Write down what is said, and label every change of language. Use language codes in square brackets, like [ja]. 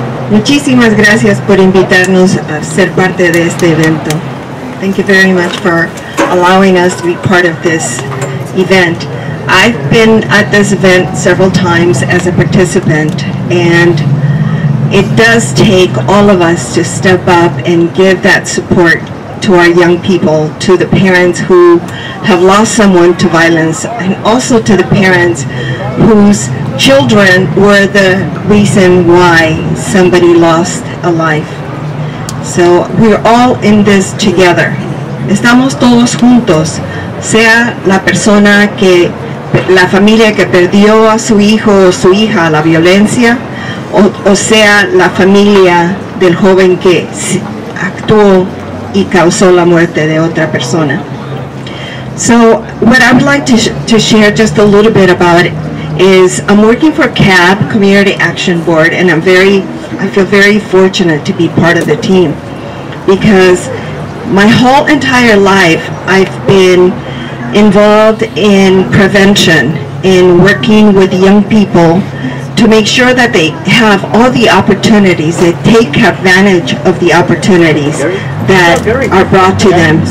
[es] Muchísimas gracias por invitarnos a ser parte de este evento. [en] Thank you very much for allowing us to be part of this event. I've been at this event several times as a participant, and it does take all of us to step up and give that support to our young people, to the parents who have lost someone to violence, and also to the parents whose children were the reason why somebody lost a life. So we're all in this together. [es] Estamos todos juntos, sea la persona que, la familia que perdió a su hijo o su hija a la violencia, o sea la familia del joven que actuó y causó la muerte de otra persona. [en] So what I'd like to share just a little bit about is I'm working for CAB, Community Action Board, and I feel very fortunate to be part of the team, because my whole entire life I've been involved in prevention, in working with young people to make sure that they have all the opportunities, they take advantage of the opportunities that are brought to them.